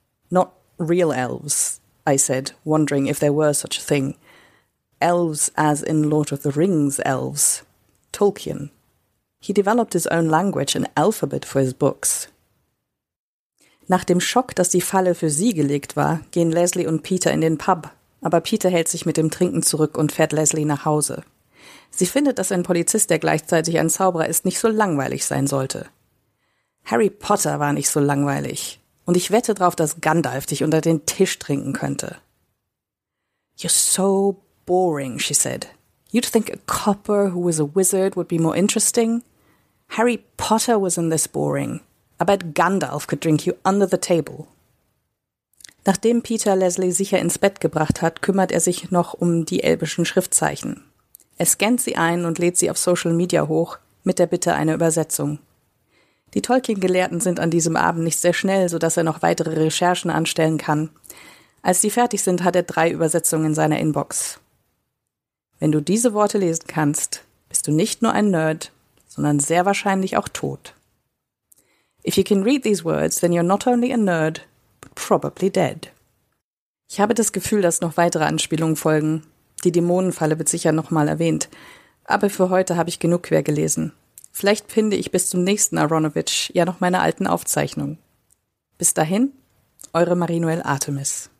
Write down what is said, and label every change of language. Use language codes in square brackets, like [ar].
[en] Not real elves, I said, wondering if there were such a thing. Elves as in Lord of the Rings elves. Tolkien. He developed his own language and alphabet for his books. [de] Nach dem Schock, dass die Falle für sie gelegt war, gehen Leslie und Peter in den Pub, aber Peter hält sich mit dem Trinken zurück und fährt Leslie nach Hause. Sie findet, dass ein Polizist, der gleichzeitig ein Zauberer ist, nicht so langweilig sein sollte. Harry Potter war nicht so langweilig. Und ich wette drauf, dass Gandalf dich unter den Tisch trinken könnte. [en] You're so boring, she said. You'd think a copper who was a wizard would be more interesting? Harry Potter was in this boring. I bet Gandalf could drink you under the table. [de] Nachdem Peter Leslie sicher ins Bett gebracht hat, kümmert er sich noch um die elbischen Schriftzeichen. Er scannt sie ein und lädt sie auf Social Media hoch, mit der Bitte eine Übersetzung. Die Tolkien-Gelehrten sind an diesem Abend nicht sehr schnell, sodass er noch weitere Recherchen anstellen kann. Als sie fertig sind, hat er 3 Übersetzungen in seiner Inbox. Wenn du diese Worte lesen kannst, bist du nicht nur ein Nerd, sondern sehr wahrscheinlich auch tot. [en] If you can read these words, then you're not only a nerd, but probably dead. [de] Ich habe das Gefühl, dass noch weitere Anspielungen folgen. Die Dämonenfalle wird sicher nochmal erwähnt. Aber für heute habe ich genug quer gelesen. Vielleicht finde ich bis zum nächsten Aronovich ja noch meine alten Aufzeichnungen. Bis dahin, eure Marinuel Artemis.